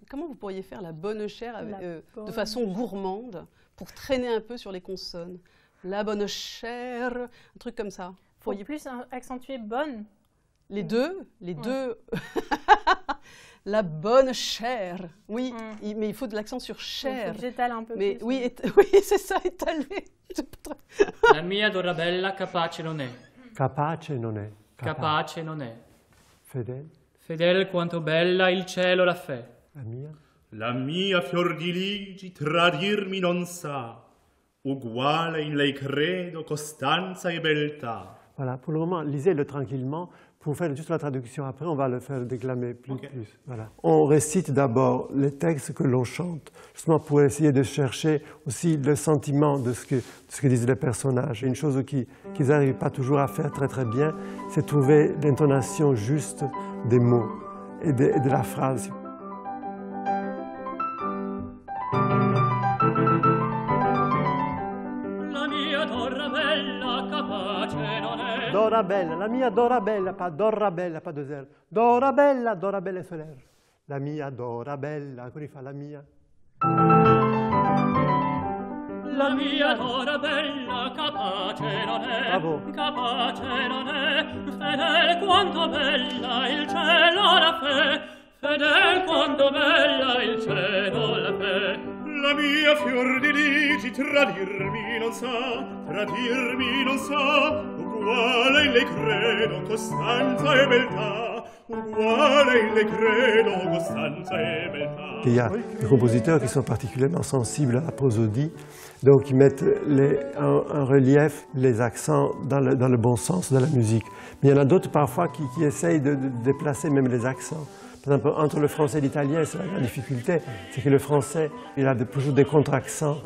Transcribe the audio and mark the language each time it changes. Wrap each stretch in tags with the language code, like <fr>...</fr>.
<fr>Comment vous pourriez faire la bonne chair avec, la bonne... de façon gourmande, pour traîner un peu sur les consonnes? La bonne chair, un truc comme ça. Faut pourriez... plus accentuer bonne. Les deux, les deux. La bonne chair. Oui, mais il faut de l'accent sur chair. J'étale un peu mais plus. Oui, oui, c'est ça, étaler.</fr> <it>La mia d'ora bella capace non è. Capace non è. Capace non è. Fedele. Fedele quanto bella il cielo la fè. La mia fior di ligi tradirmi non sa. Uguale in lei credo costanza e beltà.</it> <fr>Voilà, pour le moment, lisez-le tranquillement. Pour faire juste la traduction, après on va le faire déclamer plus. Okay. Plus. Voilà. On récite d'abord les textes que l'on chante, justement pour essayer de chercher aussi le sentiment de ce que disent les personnages. Une chose qu'ils n'arrivent pas toujours à faire très très bien, c'est trouver l'intonation juste des mots et de la phrase. Dorabella,</fr> <it>la mia Dorabella,</it> <fr>pas Dorabella, pas deux R. Dorabella, Dorabella et Soler. La mia Dorabella, comment il fait</fr> <it>la mia? La mia Dorabella, capace non è. Bravo. Capace non è. Fedele quanto bella il cielo la fè. Fedele quanto bella il cielo la fè. La mia fior di ligi tradirmi non sa, tradirmi non sa. Uguale in lei credo costanza e beltà. Uguale in lei credo costanza e beltà.</it> <fr>Il y a des compositeurs qui sont particulièrement sensibles à la prosodie, donc ils mettent en relief les accents dans le bon sens de la musique. Mais il y en a d'autres parfois qui essayent de déplacer même les accents. Par exemple, entre le français et l'italien, c'est la grande difficulté, c'est que le français, il a toujours des contre-accents.</fr>